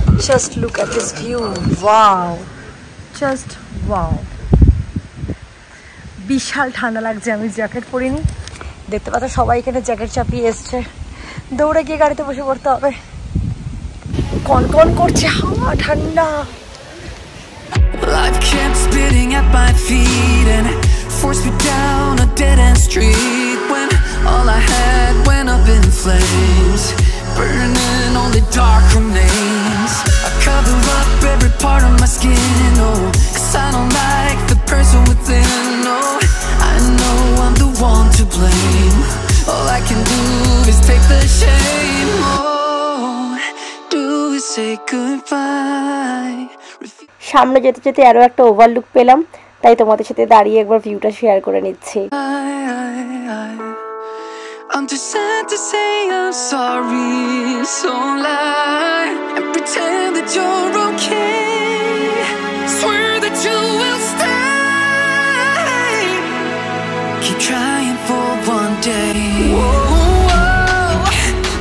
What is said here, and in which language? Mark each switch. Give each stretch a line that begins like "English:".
English: Just look at this view. Wow. Just wow.
Bangla: বিশাল ঠান্ডা লাগছে, আমি জ্যাকেট পরিনি। দেখতে পাচ্ছ সবাই এখানে জ্যাকেট চাপিয়ে এসছে, দৌড়ে গিয়ে গাড়িতে বসে পড়তে হবে। কন কন করছে হাওয়া, ঠান্ডা।
English: Life kept spitting at my feet and forced me down a dead end street when all I had went up in flames, burning all the dark remains. I cover up every part of my skin, oh, 'cause I don't like the person within, oh, I know I'm the one to blame, all I can do is take the shame, oh, do is say goodbye.
Bangla: সামনে যেতে যেতে আরো একটা overlook পেলাম, তাই তোমাদের সাথে দাঁড়িয়ে একবার ভিউটা শেয়ার করে নিচ্ছি।
English: I'm too sad to say I'm sorry, so lie and pretend that you're okay. Swear that you will stay. Keep trying for one day. Whoa, whoa.